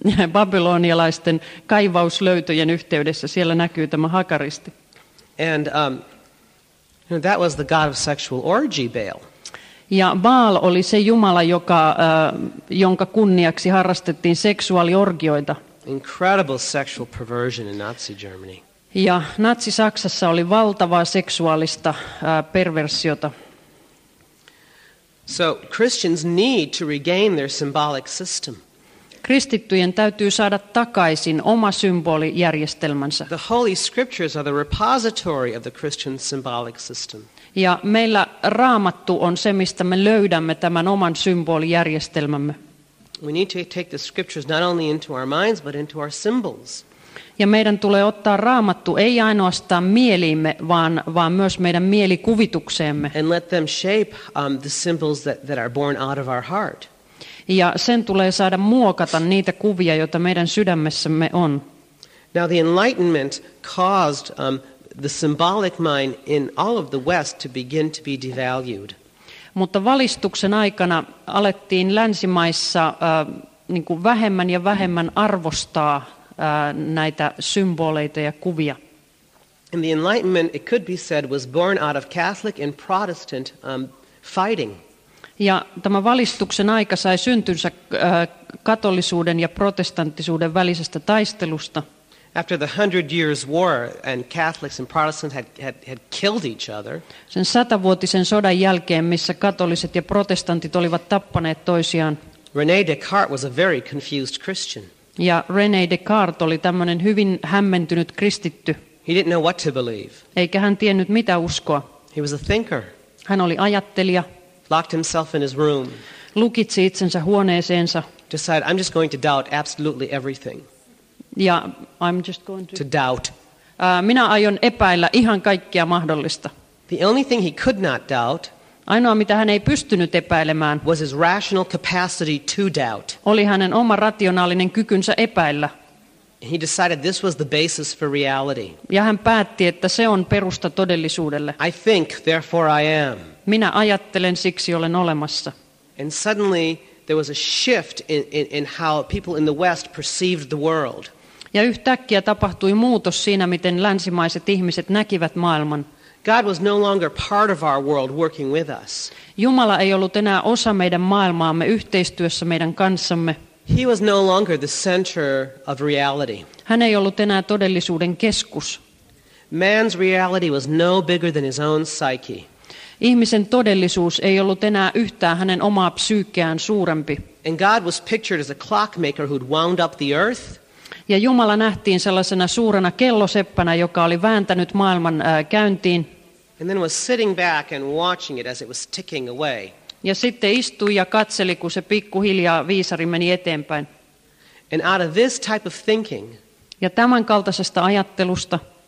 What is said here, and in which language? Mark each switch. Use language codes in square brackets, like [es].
[fi] Babylonialaisten kaivauslöytöjen yhteydessä siellä näkyy tämä hakaristi. [en] And that was the god of sexual orgy, Baal. [fi] Ja Baal oli se jumala, jonka kunniaksi harrastettiin seksuaaliorgioita. [en] Incredible sexual perversion in Nazi Germany. [fi] Ja Natsi-Saksassa oli valtavaa seksuaalista perversiota. [en] So Christians need to regain their symbolic system. [fi] Kristittyjen täytyy saada takaisin oma symbolijärjestelmänsä. [en] The Holy Scriptures are the repository of the Christian symbolic system. [fi] Ja meillä Raamattu on se, mistä me löydämme tämän oman symbolijärjestelmämme. [en] We need to take the scriptures not only into our minds, but into our symbols. [fi] Ja meidän tulee ottaa Raamattu ei ainoastaan mieliimme, vaan myös meidän mielikuvitukseemme. [en] And let them shape the symbols that are born out of our heart. [fi] Ja sen tulee saada muokata niitä kuvia, joita meidän sydämessämme on. [en] Now the Enlightenment caused the symbolic mind in all of the West to begin to be devalued. [fi] Mutta valistuksen aikana alettiin länsimaissa niin kuin vähemmän ja vähemmän arvostaa näitä symboleita ja kuvia. [en] And the Enlightenment, it could be said, was born out of Catholic and Protestant fighting. [fi] Ja tämä valistuksen aika sai syntynsä katolisuuden ja protestanttisuuden välisestä taistelusta. [en] After the Hundred Years' War and Catholics and Protestants had killed each other. [fi] Sen satavuotisen sodan jälkeen, missä katoliset ja protestantit olivat tappaneet toisiaan. [en] René Descartes was a very confused Christian. [fi] Ja René Descartes oli tämmöinen hyvin hämmentynyt kristitty. [en] He didn't know what to believe. [fi] Eikä hän tiennyt mitä uskoa. [en] He was a thinker. [fi] Hän oli ajattelija. [en] Locked himself in his room. [fi] Lukitsi itsensä huoneeseensa. [en] Decided, I'm just going to doubt absolutely everything. Ja I'm just going to doubt. [fi] Minä aion epäillä ihan kaikkea mahdollista. [en] The only thing he could not doubt. [fi] Ainoa mitä hän ei pystynyt epäilemään. [en] Was his rational capacity to doubt. [fi] Oli hänen oma rationaalinen kykynsä epäillä. [en] He decided this was the basis for reality. [fi] Ja hän päätti, että se on perusta todellisuudelle. [en] I think, therefore I am. [fi] Minä ajattelen, siksi olen olemassa. [en] And suddenly there was a shift in how people in the West perceived the world. [fi] Ja yhtäkkiä tapahtui muutos siinä, miten länsimaiset ihmiset näkivät maailman. [en] God was no longer part of our world working with us. [fi] Jumala ei ollut enää osa meidän maailmaamme yhteistyössä meidän kanssamme. [en] He was no longer the center of reality. [fi] Hän ei ollut enää todellisuuden keskus. [en] Man's reality was no bigger than his own psyche. [fi] Ihmisen todellisuus ei ollut enää yhtään hänen omaa psyykeään suurempi. [en] And God was pictured as a clockmaker who'd wound up the earth. [fi] Ja Jumala nähtiin sellaisena suurena kelloseppänä, joka oli vääntänyt maailman käyntiin. [en] And then was sitting back and watching it as it was ticking away. [fi] Ja sitten istui ja katseli, kun se pikkuhiljaa viisari meni eteenpäin. [en] And out of this type of thinking. [fi] Ja tämän kaltaisesta ajattelusta